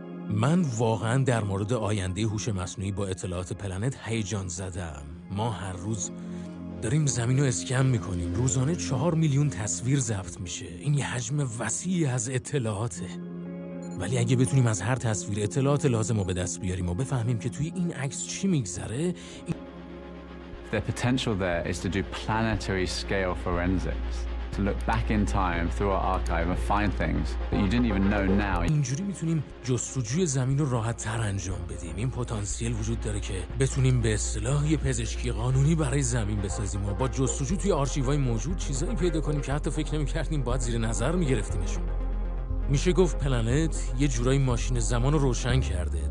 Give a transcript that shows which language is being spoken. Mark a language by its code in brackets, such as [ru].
[fa] من واقعا در مورد آینده هوش مصنوعی با اطلاعات پلنت هیجان زدم. ما هر روز داریم زمین رو اسکن میکنیم. روزانه 4 میلیون تصویر ضبط میشه. این یه حجم وسیعی از اطلاعاته. ولی اگه بتونیم از هر تصویر اطلاعات لازم رو به دست بیاریم و بفهمیم که توی این عکس چی میگذره. [en] The potential there is to do planetary scale forensics. To look back in time through our archive and find things that you didn't even know now. [fa] اینجوری میتونیم جستجوی زمین رو راحت تر انجام بدیم. این پتانسیل وجود داره که بتونیم به اصطلاح یه پزشکی قانونی برای زمین بسازیم و با جستجو توی آرشیوهای موجود چیزایی پیدا کنیم که حتی فکر نمی‌کردیم باید زیر نظر می‌گرفتیمشون. میشه گفت پلنت یه جورایی ماشین زمان رو روشن کرده.